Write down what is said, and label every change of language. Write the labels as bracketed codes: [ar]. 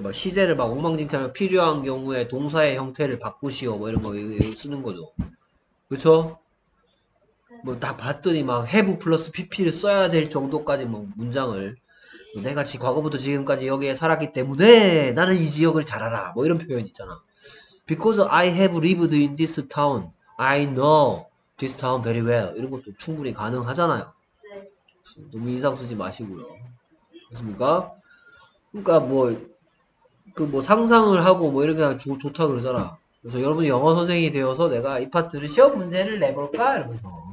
[ko] 막 시제를 막 엉망진창으로 필요한 경우에 동사의 형태를 바꾸시오. 뭐 이런 거 쓰는 거죠. 그렇죠? 뭐, 딱 봤더니 막 have 플러스 pp를 써야 될 정도까지 뭐, 문장을. 내가 지금 과거부터 지금까지 여기에 살았기 때문에 나는 이 지역을 잘 알아. 뭐 이런 표현 있잖아. [en] Because I have lived in this town, I know this town very well. [ko] 이런 것도 충분히 가능하잖아요. 네. 너무 이상 쓰지 마시고요. 그렇습니까? 그러니까 뭐, 그 뭐 상상을 하고 뭐 이렇게 하면 좋다 그러잖아. 그래서 여러분이 영어 선생이 되어서 내가 이 파트를 시험 문제를 내볼까? 이러면서.